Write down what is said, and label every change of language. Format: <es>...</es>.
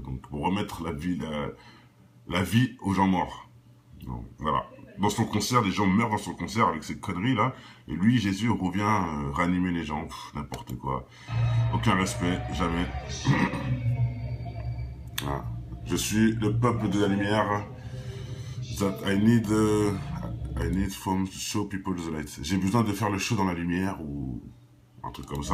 <fr>Donc, pour remettre la vie aux gens morts. Donc, voilà. Dans son concert, les gens meurent dans son concert avec ces conneries-là. Et lui, Jésus, revient réanimer les gens. N'importe quoi. Aucun respect, jamais. Ah. Je suis le peuple de la lumière.</fr> <en>I need from to show people the light.</en> <fr>J'ai besoin de faire le show dans la lumière ou un truc comme ça.</fr>